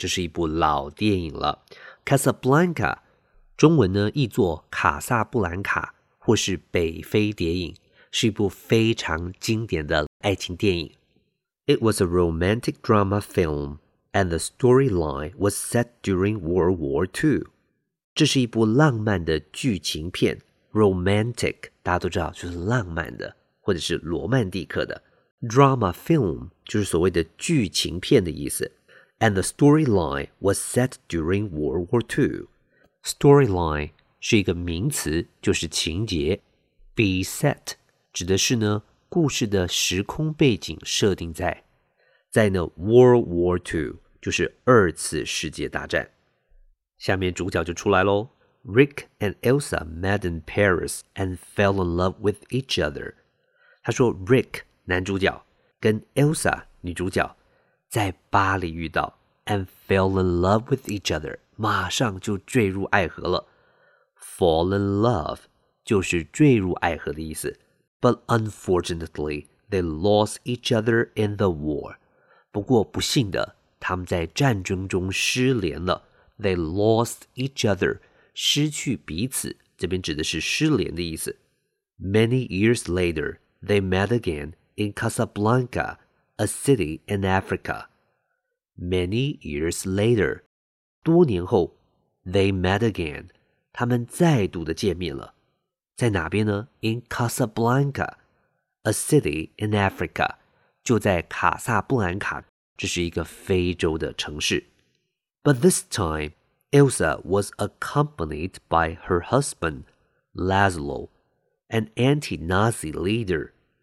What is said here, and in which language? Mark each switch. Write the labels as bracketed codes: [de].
[zh] 这是一部老电影了。Casablanca, 中文呢译作卡萨布兰卡或是北非谍影是一部非常经典的爱情电影。 [en] It was a romantic drama film, and the storyline was set during World War II. [zh] 这是一部浪漫的剧情片。 Romantic, 大家都知道就是浪漫的。或者是罗曼蒂克的 drama film 就是所谓的剧情片的意思 [en] and the storyline was set during World War II [zh] storyline 是一个名词就是情节 be set 指的是呢故事的时空背景设定在呢 World War II 就是二次世界大战下面主角就出来咯 [en] Rick and Elsa met in Paris and fell in love with each other [zh] 他说 Rick, 男主角跟 Elsa, 女主角在巴黎遇到 [en] and fell in love with each other, [zh] 马上就坠入爱河了。 Fall in love, 就是坠入爱河的意思。 [en] But unfortunately, they lost each other in the war. [zh] 不过不幸的他们在战争中失联了。 [en] They lost each other, [zh] 失去彼此这边指的是失联的意思。 [en] Many years later,They met again in Casablanca, a city in Africa. Many years later, [zh] 多年后 [en] they met again, [zh] 他们再度的见面了。在哪边呢 [en] In Casablanca, a city in Africa, [zh] 就在卡萨布兰卡，这是一个非洲的城市。 [en] But this time, Elsa was accompanied by her husband, Laszlo, an anti-Nazi leader.